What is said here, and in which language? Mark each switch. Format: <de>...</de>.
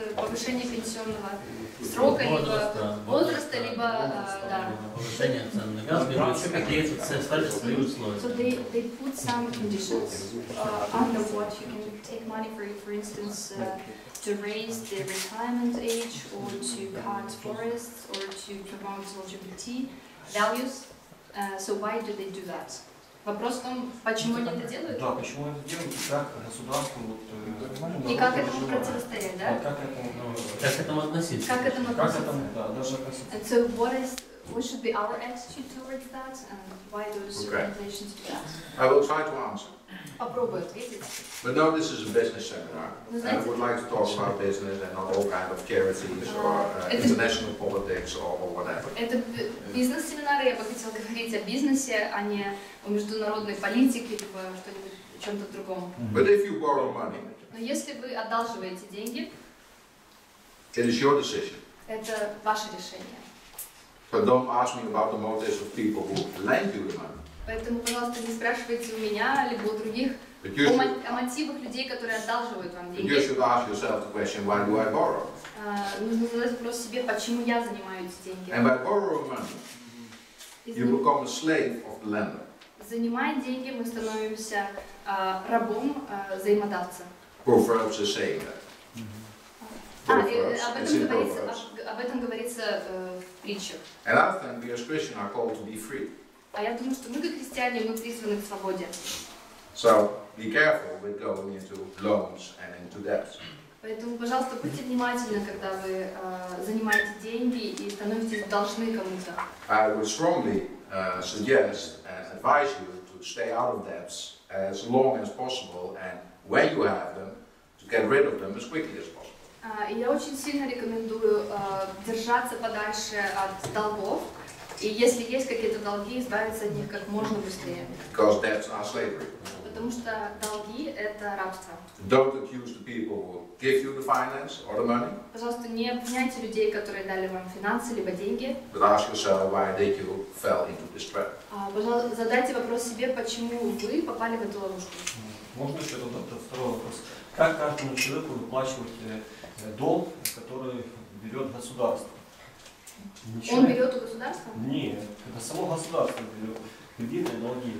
<ru>повышение пенсионного срока, возраста, либо повышение цен на газ, берутся какие-то стали свои условия.</ru> <en>So they put some conditions under what you can take money for instance, to raise the retirement age, or to cut forests, or to promote LGBT values. So why do they do that?</en> <ru>Вопрос в том, почему они это делают? Да, почему это делают, как государство, и как этому противостоять, да? Как этому относиться? Как этому относиться? Да, даже относиться.</ru> <en>And so what should be our attitude towards that, and why those regulations do that? I will try to answer.</en> <ru>Попробую ответить.</ru> <en>But now this is a business seminar, and I would like to talk about business and not all kind of charities or international politics or whatever.</en> <ru>Это бизнес-семинар, я бы хотел говорить о бизнесе, а не о международной политике, либо что-нибудь, чем-то другом.</ru> <en>But if you borrow money,</en> <ru>но если вы одалживаете деньги,</ru> <en>it is your decision.</en> <ru>Это ваше решение.</ru> <en>So don't ask me about the motives of people who lend you the money.</en> <ru>Поэтому, пожалуйста, не спрашивайте у меня, либо у других, о мотивах людей, которые одалживают вам деньги.</ru> <en>You should ask yourself the question, why do I borrow?</en> <ru>Нужно задать вопрос себе, почему я занимаю эти деньги.</ru> <en>And by borrowing money, you become a slave of the lender.</en> <ru>Занимая деньги, мы становимся рабом взаимодавца.</ru> <en>Proverbs is saying that.</en> <ru>Об этом говорится в притчах.</ru> <en>And often we as Christians are called to be free.</en> <ru>А я думаю, что мы, как христиане, мы призваны к свободе.</ru> <en>So, be careful with going into loans and into debt.</en> <ru>Поэтому, пожалуйста, будьте внимательны, когда вы занимаете деньги и становитесь должны кому-то.</ru> <en>I would strongly suggest and advise you to stay out of debts as long as possible, and when you have them, to get rid of them as quickly as possible.</en> <ru>Я очень сильно рекомендую держаться подальше от долгов. И если есть какие-то долги, избавиться от них как можно быстрее.</ru> <en>Because debts are slavery.</en> <ru>Потому что долги – это рабство.</ru> <en>Don't accuse the people who give you the finance or the money.</en> <ru>Пожалуйста, не обвиняйте людей, которые дали вам финансы либо деньги.</ru> <en>But ask yourself why did you fell into this trap.</en> <ru>Пожалуйста, задайте вопрос себе, почему вы попали в эту ловушку. Можно еще этот второй вопрос? Как каждому человеку выплачивать долг, который берет государство? Ничего. Он берет у государства? Нет, это само государство берет кредитные долги.</ru>